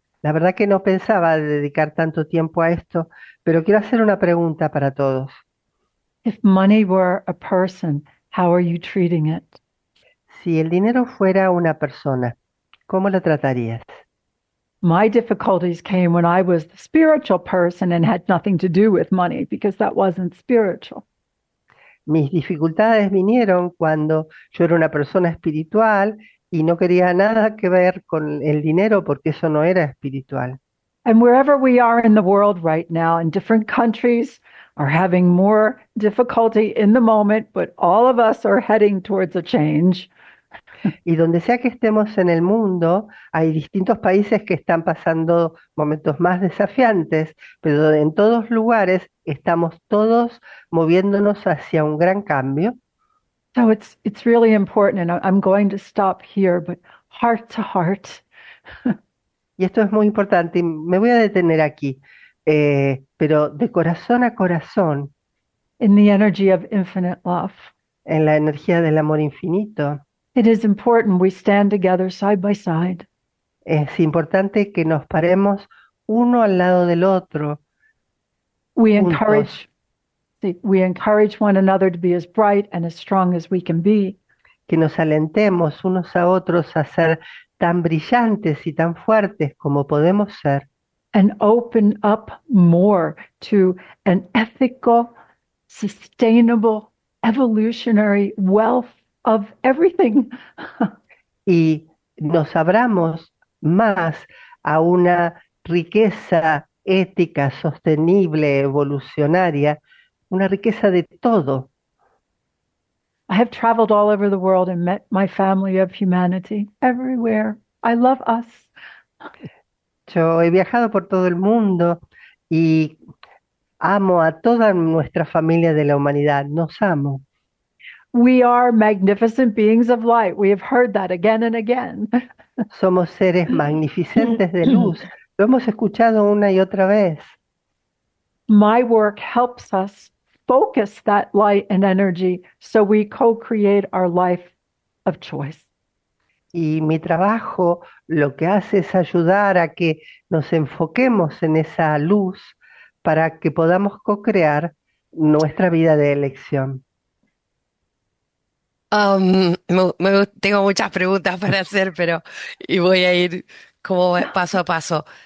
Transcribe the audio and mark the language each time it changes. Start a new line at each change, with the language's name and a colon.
Spanish: La verdad que no pensaba dedicar tanto tiempo a esto, pero quiero hacer una pregunta para todos.
English: If money were a person, how are you treating it?
Spanish: Si el dinero fuera una persona, ¿cómo lo tratarías?
English: My difficulties came when I was the spiritual person and had nothing to do with money, because that wasn't spiritual.
Spanish: Mis dificultades vinieron cuando yo era una persona espiritual y no quería nada que ver con el dinero porque eso no era espiritual.
English: And wherever we are in the world right now, and different countries are having more difficulty in the moment, but all of us are heading towards a change.
Spanish: Y donde sea que estemos en el mundo, hay distintos países que están pasando momentos más desafiantes, pero en todos lugares estamos todos moviéndonos hacia un gran cambio.
English: So it's really important, and I'm going to stop here, but heart to heart.
Spanish: Y esto es muy importante, y me voy a detener aquí, pero de corazón a corazón,
English: In the energy of infinite love.
Spanish: en la energía del amor infinito,
English: It is important we stand together side by side.
Spanish: es importante que nos paremos uno al lado del otro,
English: We
Spanish: juntos.
English: encourage one another to be as bright and as strong as we can be.
Spanish: Que nos alentemos unos a otros a ser tan brillantes y tan fuertes como podemos ser.
English: And open up more to an ethical, sustainable, evolutionary wealth of everything.
Spanish: Y nos abramos más a una riqueza ética, sostenible, evolucionaria, una riqueza de todo.
English: I have traveled all over the world and met my family of humanity everywhere. I love us.
Spanish: Yo he viajado por todo el mundo y amo a toda nuestra familia de la humanidad. Nos amo.
English: We are magnificent beings of light. We have heard that again and again.
Spanish: Somos seres magnificentes de luz. Lo hemos escuchado una y otra vez.
English: My work helps us focus that light and energy so we co-create our life of choice.
Spanish: Y mi trabajo lo que hace es ayudar a que nos enfoquemos en esa luz para que podamos co-crear nuestra vida de elección. Tengo muchas preguntas para hacer, pero y voy a ir como paso a paso.